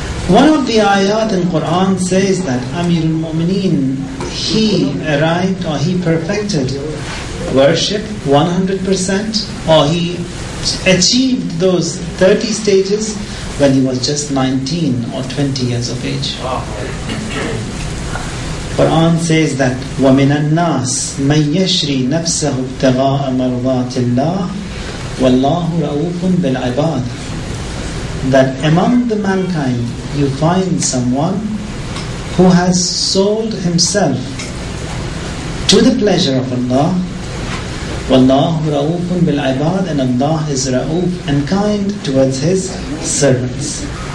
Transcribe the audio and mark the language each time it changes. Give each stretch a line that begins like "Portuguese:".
English: One of the ayat in Quran says that Amir al-Mu'mineen, he arrived or he perfected worship 100%, or he achieved those 30 stages when he was just 19 or 20 years of age.
Arabic: Quran says that وَمِنَ النَّاسِ مَنْ يَشْرِي نَفْسَهُ ابْتِغَاءَ مَرْضَاتِ اللَّهِ وَاللَّهُ رَؤُوفٌ بِالْعِبَادِ.
English: That among the mankind you find someone who has sold himself to the pleasure of Allah. Wallahu ra'ufun bil ibad, and Allah is ra'uf and kind towards his servants.